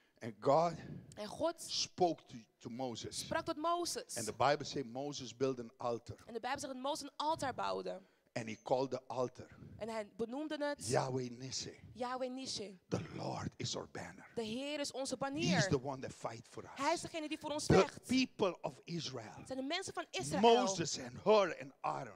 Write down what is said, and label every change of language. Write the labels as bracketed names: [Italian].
[English] And God, [Dutch] en God [English] spoke to Moses. [Dutch] Sprak tot Moses. [English] And the Bible says Moses built an altar. [Dutch] En de Bijbel zegt dat Moses een altaar bouwde. [English] And he called the altar. [Dutch] En hij benoemde het [English] Yahweh Nissi. The Lord is our banner. [Dutch] De Heer is onze banier. [English] He's the one that fight for us. [Dutch] Hij is degene die voor ons [English] the [Dutch] vecht. [English] The people of Israel. [Dutch] Zijn de mensen van Israël. [English] Moses and Hur and Aaron.